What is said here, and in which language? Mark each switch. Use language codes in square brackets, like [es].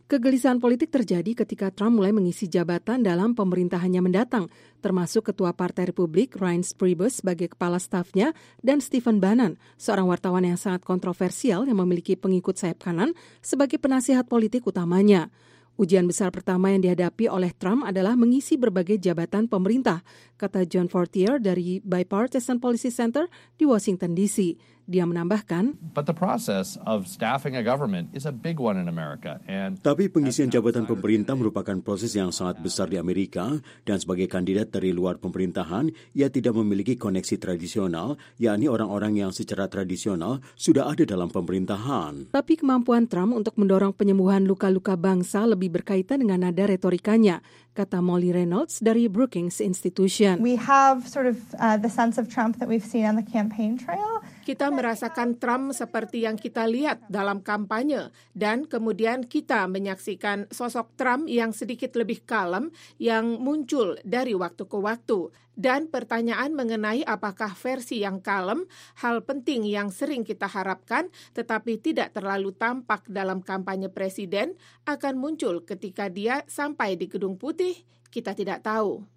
[id] Kegelisahan politik terjadi ketika Trump mulai mengisi jabatan dalam pemerintahannya mendatang, termasuk Ketua Partai Republik Ryan Priebus sebagai kepala stafnya dan Stephen Bannon, seorang wartawan yang sangat kontroversial yang memiliki pengikut sayap kanan sebagai penasihat politik utamanya. Ujian besar pertama yang dihadapi oleh Trump adalah mengisi berbagai jabatan pemerintah, kata John Fortier dari Bipartisan Policy Center di Washington DC. Dia menambahkan, [en] "But the process of staffing a government is a big one in America." [id] Tapi pengisian jabatan pemerintah merupakan proses yang sangat besar di Amerika, dan sebagai kandidat dari luar pemerintahan, ia tidak memiliki koneksi tradisional, yakni orang-orang yang secara tradisional sudah ada dalam pemerintahan. Tapi kemampuan Trump untuk mendorong penyembuhan luka-luka bangsa lebih berkaitan dengan nada retorikanya, kata Molly Reynolds dari Brookings Institution. [en] We have sort of the sense of Trump that we've seen on the campaign trail. [id] Kita merasakan Trump seperti yang kita lihat dalam kampanye, dan kemudian kita menyaksikan sosok Trump yang sedikit lebih kalem yang muncul dari waktu ke waktu. Dan pertanyaan mengenai apakah versi yang kalem, hal penting yang sering kita harapkan tetapi tidak terlalu tampak dalam kampanye presiden, akan muncul ketika dia sampai di Gedung Putih, kita tidak tahu.